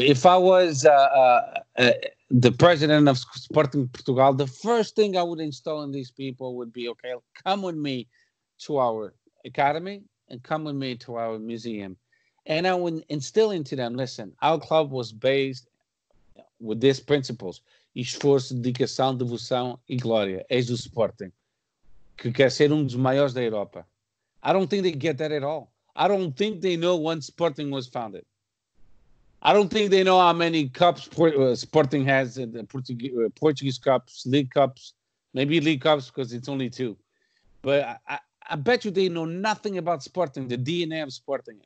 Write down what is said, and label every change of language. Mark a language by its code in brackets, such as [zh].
[en] If I was the president of Sporting Portugal, the first thing I would install in these people would be, okay, come with me to our academy and come with me to our museum. And I would instill into them, listen, our club was based with these principles. [pt] Esforço, dedicação, devoção e glória. Eis o Sporting, que quer ser dos maiores da Europa. [en] I don't think they get that at all. I don't think they know when Sporting was founded. I don't think they know how many cups Sporting has, in the Portuguese cups, League cups, maybe League cups because it's only two. But I bet you they know nothing about Sporting, the DNA of Sporting.